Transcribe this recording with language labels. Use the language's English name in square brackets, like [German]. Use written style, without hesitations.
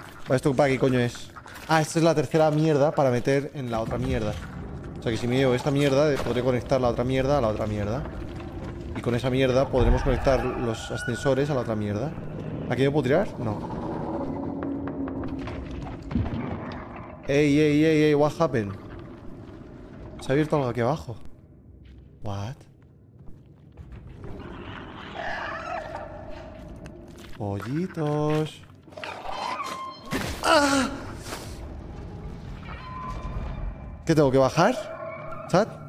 [Spanish] Va, ¿esto para qué coño es? Ah, esta es la tercera mierda para meter en la otra mierda. O sea que si me llevo esta mierda, podré conectar la otra mierda a la otra mierda. Y con esa mierda podremos conectar los ascensores a la otra mierda. ¿Aquí me puedo tirar? No. [English] Ey, ey, ey, ey, what happened? [Spanish] Se ha abierto algo aquí abajo. [English] What? [Spanish] Pollitos. ¡Ah! ¿Qué tengo que bajar? ¿Chat?